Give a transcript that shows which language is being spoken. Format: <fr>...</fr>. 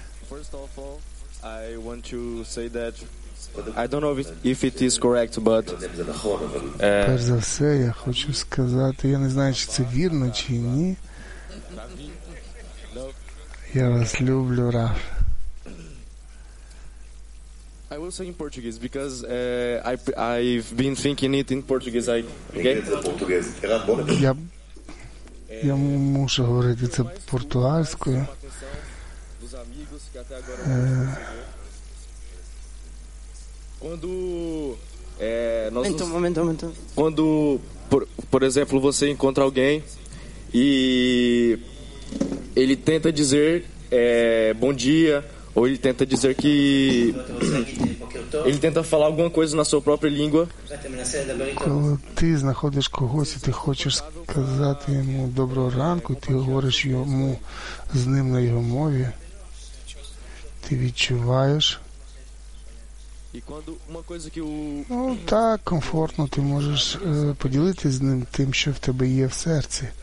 <en>First of all, I want to say that I don't know if it is correct, but</en> <uk>перш за все, я хочу сказати, я не знаю, чи це вірно чи ні. Я вас люблю, Раф.</uk> <en>I will say in Portuguese because I've been thinking it in Portuguese.</en> <uk>Я мушу говорити це португальською.</uk> <pt>Quando quando por exemplo você encontra alguém e ele tenta dizer bom dia, ou ele tenta dizer que ele tenta falar alguma coisa na sua própria língua.</pt> <uk>Коли ти знаходиш когось і ти хочеш сказати йому доброго ранку, ти говориш йому з ним на його мові, ти відчуваєш. Ну так, комфортно, ти можеш поділитися з ним тим, що в тебе є в серці.</uk>